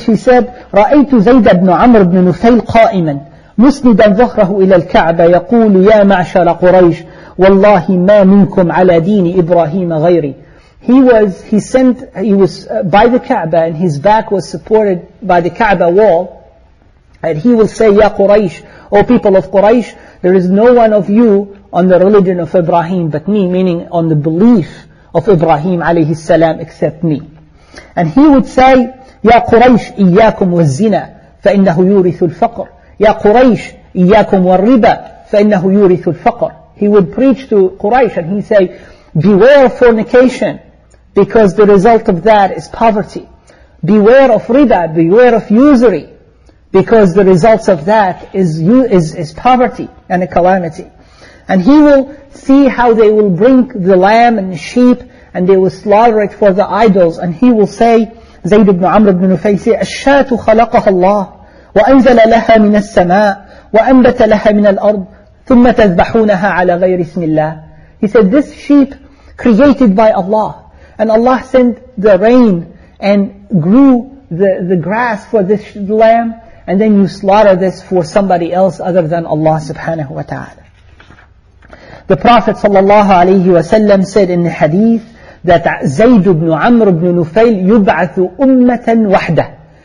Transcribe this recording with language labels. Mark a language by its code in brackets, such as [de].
[en] She said, [ar] رَأَيْتُ زَيْدَ ibn Amr ibn Nufayl قَائِمًا مُسْنِدًا ظَهْرَهُ إِلَى الْكَعْبَةِ يَقُولُ يَا مَعْشَرَ قُرَيْشِ وَاللَّهِ مَا مِنْكُمْ عَلَى دِينِ إِبْرَاهِيمَ غَيْرِ. [en] He was by the Kaaba, and his back was supported by the Kaaba wall, and he will say, Ya Quraysh, O people of Quraysh, there is no one of you on the religion of Ibrahim but me, meaning on the belief of Ibrahim alayhi salam, except me. And he would say, Ya Quraysh, [ar] إِيَّاكُمْ وَالزِّنَا فَإِنَّهُ يُورِثُ الْفَقْرِ. Ya Quraysh, إِيَّاكُمْ وَالرِّبَا فَإِنَّهُ يُورِثُ الْفَقْرِ. [en] He would preach to Quraysh and he'd say, beware of fornication, because the result of that is poverty. Beware of riba, beware of usury, because the results of that is poverty and a calamity. And he will see how they will bring the lamb and the sheep, and they will slaughter it for the idols. And he will say, Zayd ibn Amr ibn Nufayl say, [ar] الشَّاتُ خَلَقَهَا اللَّهُ وَأَنزَلَ لَهَا مِنَ السَّمَاءِ وَأَنبَتَ لَهَا مِنَ الْأَرْضِ ثُمَّ تَذْبَحُونَهَا عَلَى غَيْرِ اسْمِ اللَّهِ. [en] He said, this sheep created by Allah. And Allah sent the rain and grew the grass for this lamb. And then you slaughter this for somebody else other than Allah subhanahu wa ta'ala. The Prophet sallallahu alayhi wa sallam said in the hadith that Zayd ibn Amr ibn Nufayl [ar] yub'athu ummatan wahda.